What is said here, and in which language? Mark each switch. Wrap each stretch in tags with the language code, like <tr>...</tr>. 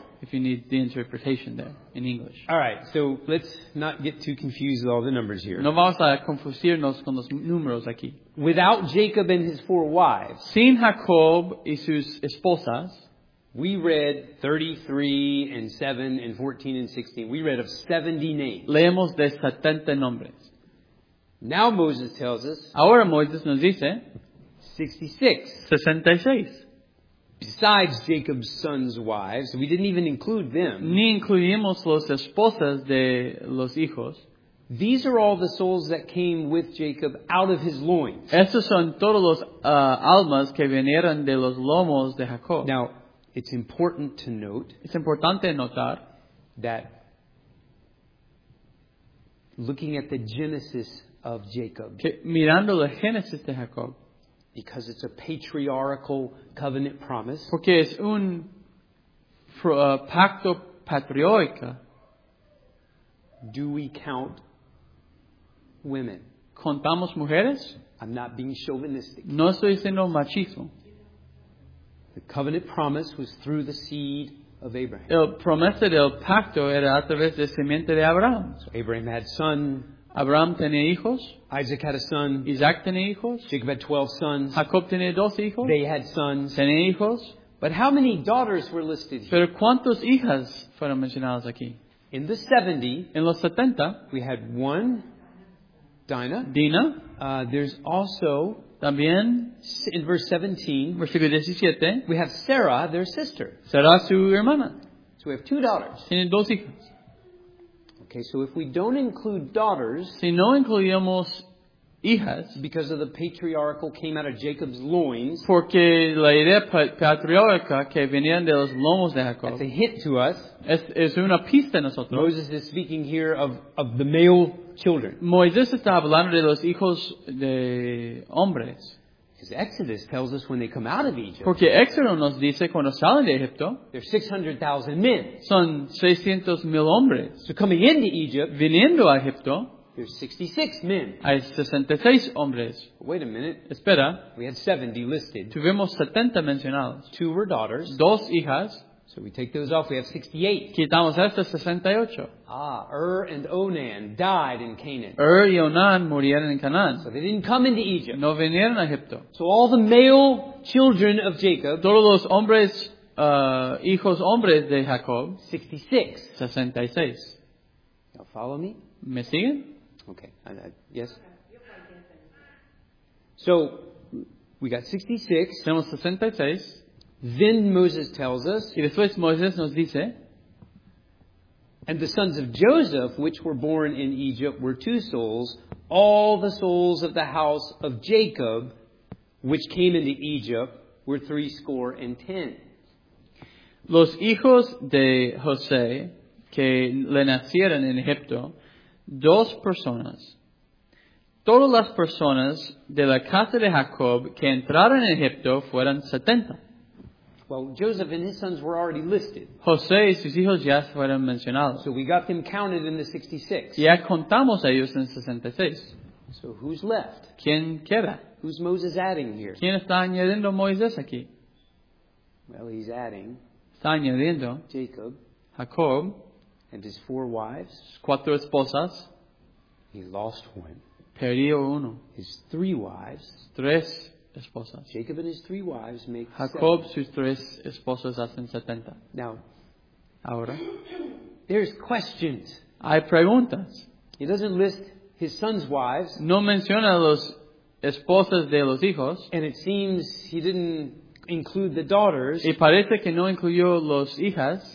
<en>if you need the interpretation there in English. All right, so let's not get too confused with all the numbers here.</en> <es>No vamos a confundirnos con los números aquí.</es> <en>Without Jacob and his four wives,</en> <es>sin Jacob y sus esposas,</es> <en>we read 33 and 7 and 14 and 16. We read of 70 names.</en> <es>Leemos de 70 nombres.</es> <en>Now Moses tells us.</en> <es>Ahora Moisés nos dice.</es> <en>66.</en> <es>66.</es> <en>Besides Jacob's sons' wives, we didn't even include them.</en> <es>Ni incluimos los esposas de los hijos.</es> <en>These are all the souls that came with Jacob out of his loins.</en> <es>Estos son todos los almas que vinieron de los lomos de Jacob.</es> <en>Now, it's important to note.</en> <es>Es importante notar</es> <en>that looking at the genesis of Jacob.</en> <es>Que mirando la génesis de Jacob,</es> <en>because it's a patriarchal covenant promise.</en> <es>Porque es un pacto patriarca.</es> <en>Do we count women?</en> <es>¿Contamos mujeres?</es> <en>I'm not being chauvinistic.</en> <es>No estoy siendo machismo.</es> <en>The covenant promise was through the seed of Abraham.</en> <es>El promesa del pacto era a través de simiente de Abraham.</es> <en>So Abraham had son.</en> <es>Abraham tenía hijos.</es> <en>Isaac had a son.</en> <es>Isaac tenía hijos.</es> <en>Jacob had 12 sons.</en> <es>Jacob tenía 12 hijos.</es> <en>They had sons.</en> <es>Tenía hijos.</es> <en>But how many daughters were listed here?</en> <es>Pero ¿cuántas hijas fueron mencionadas aquí?</es> <en>In the 70.</en> <es>En los 70.</es> <en>We had one. Dinah.</en> <es>Dina.</es> <en>There's also.</en> <es>También,</es> <en>in verse 17,</en> <es>versículo 17,</es> <en>we have Sarah, their sister.</en> <es>Sarah, su hermana.</es> <en>So we have two daughters.</en> <es>Tienen dos hijas.</es> <en>Okay, so if we don't include daughters,</en> <es>si no incluimos hijas,</es> <en>because of the patriarchal came out of Jacob's loins,</en> <es>porque la idea patriarca que venían de los lomos de Jacob,</es> <en>that's a hint to us,</en> <es>es una pista a nosotros.</es> <en>Moses is speaking here of the male children.</en> <es>Moisés está hablando de los hijos de hombres.</es> <en>Because Exodus tells us when they come out of Egypt.</en> <es>Porque Éxodo nos dice cuando salen de Egipto.</es> <en>There's 600,000 men.</en> <es>Son 600,000 hombres.</es> <en>So coming into Egypt.</en> <es>Viniendo a Egipto.</es> <en>There's 66 men.</en> <es>Hay 66 hombres.</es> <en>Wait a minute.</en> <es>Espera.</es> <en>We had 70 listed.</en> <es>Tuvimos 70 mencionados.</es> <en>Two were daughters.</en> <es>Dos hijas.</es> <en>So we take those off. We have 68.</en> <es>Quitamos estas 68.</es> <en>Ah, Ur and Onan died in Canaan.</en> <es>Ur y Onan murieron en Canaan.</es> <en>So they didn't come into Egypt.</en> <es>No vinieron a Egipto.</es> <en>So all the male children of Jacob.</en> <es>Todos los hombres, hijos hombres de Jacob.</es> <en>66.</en> <es>66.</es> <en>Now follow me.</en> <es>¿Me siguen?</es> <en>Okay. Yes. So we got 66.</en> <es>Tenemos 66.</es> <en>Then Moses tells us,</en> <es>y después Moisés nos dice,</es> <en>and the sons of Joseph, which were born in Egypt, were two souls. All the souls of the house of Jacob, which came into Egypt, were 70.</en> <es>Los hijos de José, que le nacieron en Egipto, dos personas. todas las personas de la casa de Jacob que entraron en Egipto fueran 70.</es> <en>Well, Joseph and his sons were already listed.</en> <es>José y sus hijos ya fueron mencionados.</es> <en>So we got them counted in the 66.</en> <es>Ya contamos a ellos en 66.</es> <en>So who's left?</en> <es>¿Quién queda?</es> <en>Who's Moses adding here?</en> <es>¿Quién está añadiendo Moisés aquí?</es> <en>Well, he's adding.</en> <es>Está añadiendo.</es> <en>Jacob.</en> <es>Jacob.</es> <en>And his four wives.</en> <es>Cuatro esposas.</es> <en>He lost one.</en> <es>Perdió uno.</es> <en>His three wives.</en> <es>Tres esposas.</es> <en>Jacob and his three wives make</en> <es>Jacob, 70. Sus tres esposas hacen 70.</es> <en>Now,</en> <es>ahora.</es> <en>There's questions.</en> <es>Hay preguntas.</es> <en>He doesn't list his sons' wives.</en> <es>No menciona los esposas de los hijos.</es> <en>And it seems he didn't include the daughters.</en> <es>Y parece que no incluyó los hijas.</es>